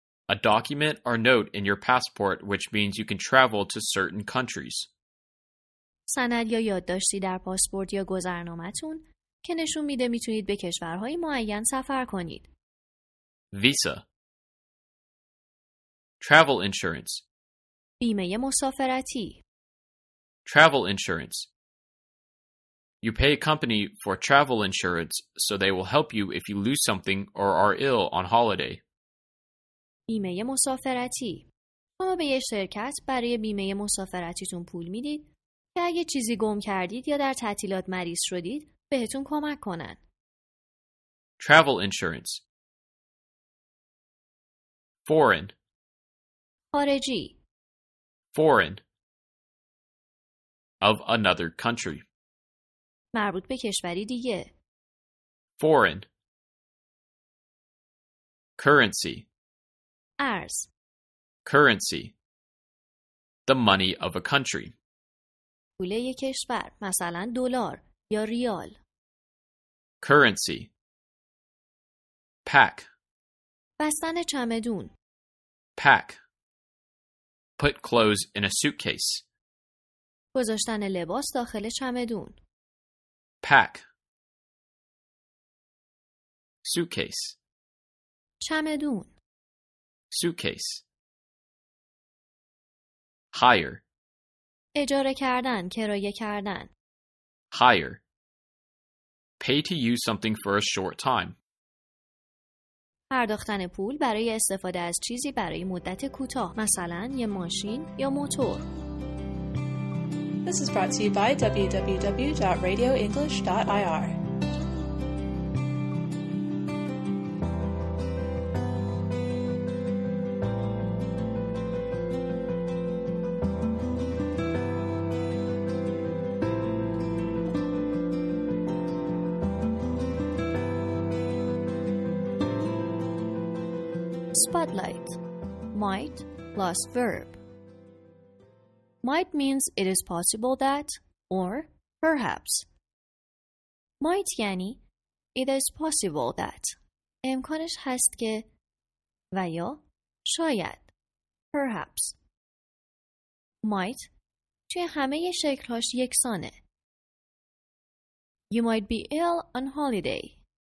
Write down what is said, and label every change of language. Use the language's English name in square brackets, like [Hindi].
[English] A document or note in your passport which means you can travel to certain countries. [Persian] سند یا یادداشتی در پاسپورت یا گذرنامه‌تون که نشون میده میتونید به کشورهای معین سفر کنید. [English] Visa. Travel insurance. [Persian] بیمه مسافرتی. [English] Travel insurance. You pay a company for travel insurance so they will help you if you lose something or are ill on holiday. [Persian] بیمه مسافرتی. شما به یه شرکت برای بیمه مسافرتیتون پول میدید که اگه چیزی گم کردید یا در تعطیلات مریض شدید بهتون کمک کنن. [English] Travel insurance. Foreign. [Persian] خارجی. [English] Foreign. Of another country. [Persian] مربوط به کشوری دیگه. [English] Foreign. Currency. [Persian] ارز. [English] Currency. The money of a country. [Persian] پول یک کشور، مثلا دلار یا ریال. [English] Currency. Pack. [Persian] بستن چمدون. [English] Pack. Put clothes in a suitcase. [Persian] گذاشتن لباس داخل چمدون. [English] Pack. Suitcase. [Persian] چمدون. [English] Suitcase. Hire. [Persian] اجاره کردن، کرایه کردن. [English] Hire. Pay to use something for a short time. [Persian] پرداختن پول برای استفاده از چیزی برای مدت کوتاه، مثلا یه ماشین یا موتور. [English] This is brought to you by www.radioenglish.ir. Spotlight. Might plus verb. Might means it is possible that or perhaps. Might یعنی it is possible that. [Persian] امکانش هست که و یا شاید. Perhaps. Might توی همه شکلهاش یکسانه. [English] You might be ill on holiday.